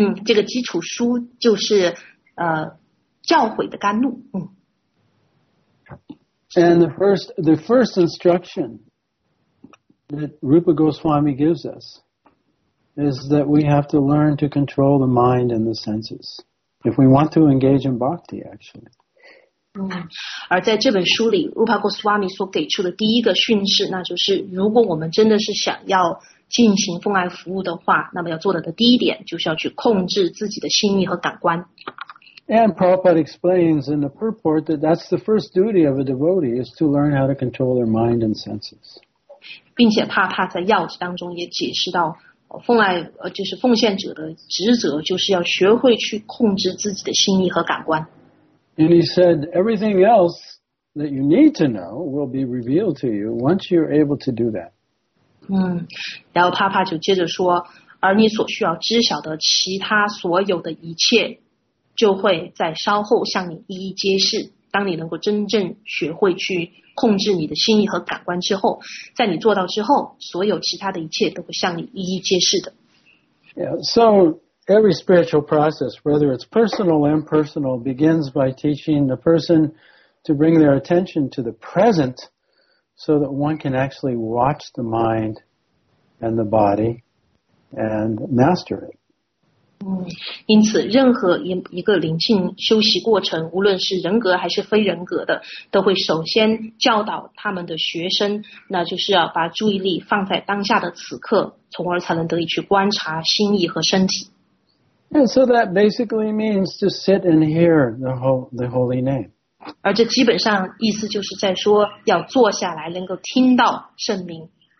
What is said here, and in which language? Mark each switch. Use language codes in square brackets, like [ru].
[zh] 这个基础书就是教诲的甘露。 [en] And the first instruction that Rupa Goswami gives us is that we have to learn to control the mind and the senses if we want to engage in bhakti, actually. [zh] 而在这本书里 Rupa Goswami 所给出的第一个训示那就是如果我们真的是想要进行奉爱服务的话那么要做的第一点就是要去控制自己的心意和感官 [en] And Prabhupada explains in the purport that that's the first duty of a devotee is to learn how to control their mind and senses [zh] 并且他在要旨当中也解释到奉爱就是奉献者的职责就是要学会去控制自己的心意和感官 [en] And he said, everything else that you need to know will be revealed to you once you're able to do that. [zh] 然后帕帕就接着说，而你所需要知晓的其他所有的一切就会在稍后向你一一揭示。当你能够真正学会去控制你的心意和感官之后，在你做到之后，所有其他的一切都会向你一一揭示的。 [en] So every spiritual process, whether it's personal or impersonal, begins by teaching the person to bring their attention to the present so that one can actually watch the mind and the body and master it. [zh] 因此任何一个灵性修习过程，无论是人格还是非人格的，都会首先教导他们的学生，那就是要把注意力放在当下的此刻，从而才能得以去观察心意和身体。 [en] And so that basically means to sit and hear the holy name. 而这基本上意思就是在说要坐下来能够听到圣名。